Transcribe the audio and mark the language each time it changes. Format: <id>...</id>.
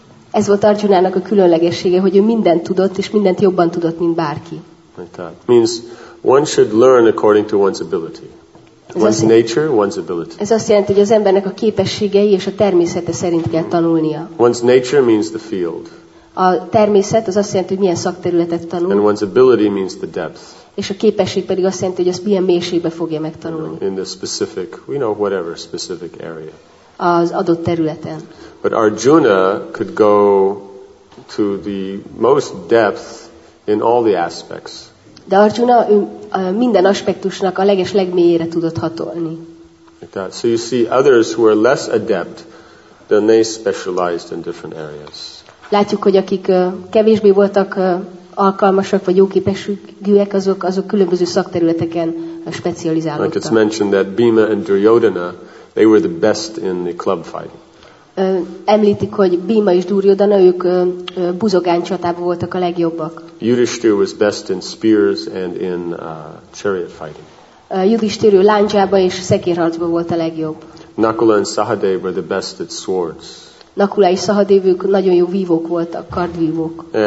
<hu>Ez volt Arjunának a különlegessége, hogy ő mindent tudott és mindent jobban tudott, mint bárki.</hu> <en>Like that. Means one should learn according to one's ability. One's nature, one's ability.</en> <hu>Ez azt jelenti, hogy az embernek a képességei és a természete szerint kell tanulnia.</hu> <en>One's nature means the field.</en> <hu>A természet az azt jelenti, hogy milyen szakterületet tanul.</hu> <en>And one's ability means the depth.</en> <hu>És a képesség pedig azt jelenti, hogy azt milyen mélységbe fogja megtanulni.</hu> <en>In the specific, you know, whatever specific area.</en> <hu>Az adott területen.</hu> <en>But Arjuna could go to the most depth in all the aspects.</en> <hu>De Arjuna minden aspektusnak a leges legmélyére tudott hatolni.</hu> <en>So you see others who are less adept, then they specialized in different areas.</en> <hu>Látjuk, hogy akik kevésbé voltak alkalmasak vagy jóképességűek, azok különböző szakterületeken specializálódtak.</hu> <en>Like it's mentioned that Bhima and Duryodhana, they were the best in the club fighting.</en> <hu>Említik, hogy Bhima és Duryodhana, ők buzogány csatában voltak a legjobbak.</hu> <en>Yudhishthira was best in spears and in chariot fighting.</en> <hu>Yudhishthira láncsában és szekérharcban volt a legjobb.</hu> <en>Nakula and Sahadev were the best at swords.</en> <hu>Nakula és Sahadev, ők nagyon jó vívók voltak, kardvívók.</hu>